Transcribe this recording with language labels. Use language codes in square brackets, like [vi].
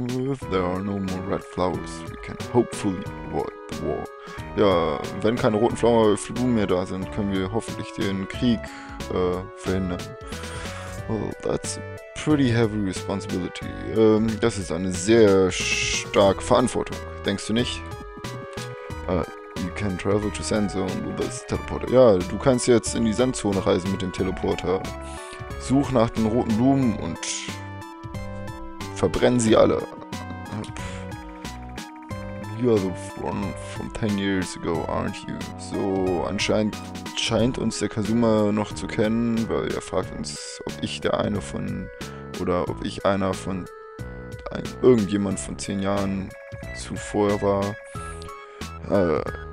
[en] If there are no more red flowers, we can hopefully avoid the war. [de] Ja, wenn keine roten Blumen mehr da sind, können wir hoffentlich den Krieg verhindern. [en] Well, that's a pretty heavy responsibility. [de] Das ist eine sehr starke Verantwortung, denkst du nicht? [en] You can travel to Sand Zone with this teleporter. [de] Ja, du kannst jetzt in die Sandzone reisen mit dem Teleporter. Such nach den roten Blumen und verbrennen sie alle. [en] You are the one from 10 years ago, aren't you? [de] So, anscheinend scheint uns der Kazuma noch zu kennen, weil er fragt uns, ob ich der eine von, oder ob ich einer von, irgendjemand von 10 Jahren zuvor war.